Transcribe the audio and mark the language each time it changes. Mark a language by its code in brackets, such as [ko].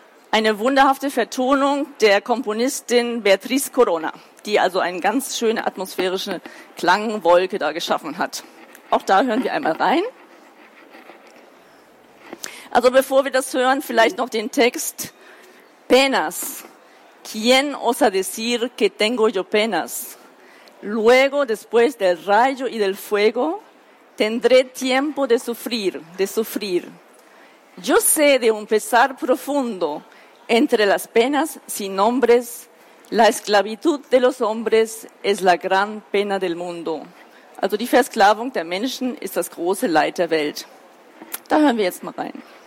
[de] Eine wunderhafte Vertonung der Komponistin Beatriz Corona, die also eine ganz schöne atmosphärische Klangwolke da geschaffen hat. Auch da hören wir einmal rein. Also bevor wir das hören, vielleicht noch den Text. [es] Penas. ¿Quién osa decir que tengo yo penas? Luego, después del rayo y del fuego, tendré tiempo de sufrir, de sufrir. Yo sé de un pesar profundo entre las penas sin nombres. La esclavitud de los hombres es la gran pena del mundo. [de] Also die Versklavung der Menschen ist das große Leid der Welt. Da hören wir jetzt mal rein.